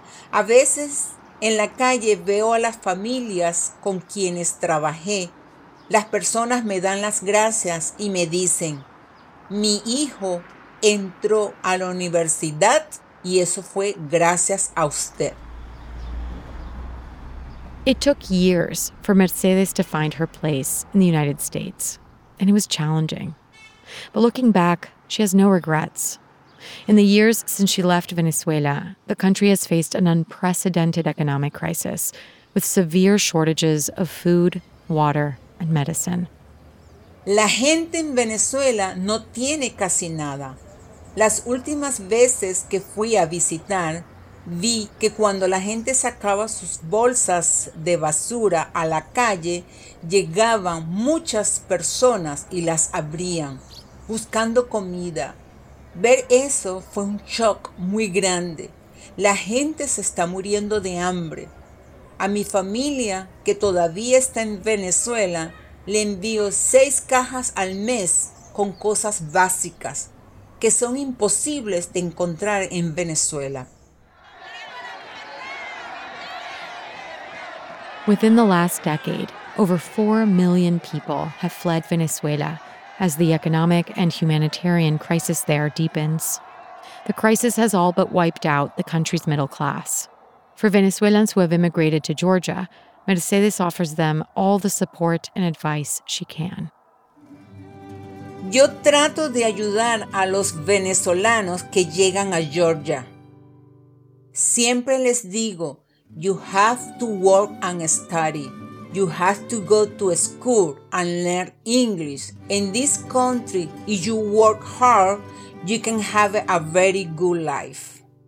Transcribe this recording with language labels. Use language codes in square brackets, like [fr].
[es] A veces, en la calle veo a las familias con quienes trabajé. Las personas me dan las gracias y me dicen, mi hijo entró a la universidad y eso fue gracias a usted. [en] It took years for Mercedes to find her place in the United States, and it was challenging. But looking back, she has no regrets. In the years since she left Venezuela, the country has faced an unprecedented economic crisis with severe shortages of food, water, and medicine. [es] La gente en Venezuela no tiene casi nada. Las últimas veces que fui a visitar, vi que cuando la gente sacaba sus bolsas de basura a la calle, llegaban muchas personas y las abrían, buscando comida. Ver eso fue un shock muy grande. La gente se está muriendo de hambre. A mi familia, que todavía está en Venezuela, le envío 6 cajas al mes con cosas básicas, que son imposibles de encontrar en Venezuela. [en] Within the last decade, over 4 million people have fled Venezuela as the economic and humanitarian crisis there deepens. The crisis has all but wiped out the country's middle class. For Venezuelans who have immigrated to Georgia, Mercedes offers them all the support and advice she can. [es] Yo trato de ayudar a los venezolanos que llegan a Georgia. Siempre les digo, [en] you have to work and study. You have to go to school and learn English. In this country, if you work hard, you can have a very good life.